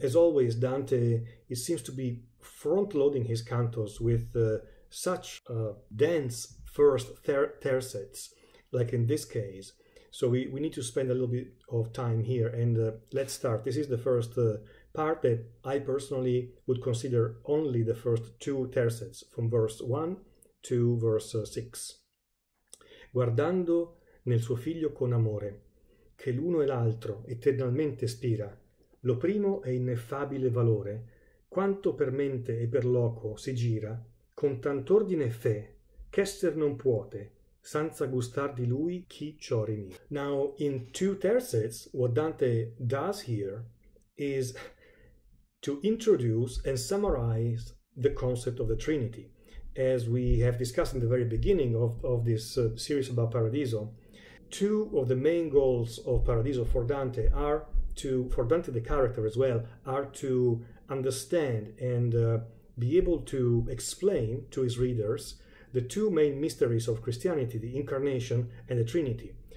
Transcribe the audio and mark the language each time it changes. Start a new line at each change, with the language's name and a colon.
English: As always, Dante, it seems to be front-loading his cantos with such dense first tercets, like in this case. So we need to spend a little bit of time here, and let's start. This is the first part that I personally would consider only the first two tercets, from verse 1 to verse 6.
Italian: Guardando nel suo figlio con amore, che l'uno e l'altro eternalmente spira, lo primo è ineffabile valore, quanto per mente e per loco si gira, con tant'ordine e fe, ch'esser non puote, senza gustar di lui chi ciò rimi.
English: Now, in two tercets, what Dante does here is to introduce and summarize the concept of the Trinity. As we have discussed in the very beginning of this series about Paradiso, two of the main goals of Paradiso for Dante the character as well, are to understand and be able to explain to his readers the two main mysteries of Christianity, the Incarnation and the Trinity.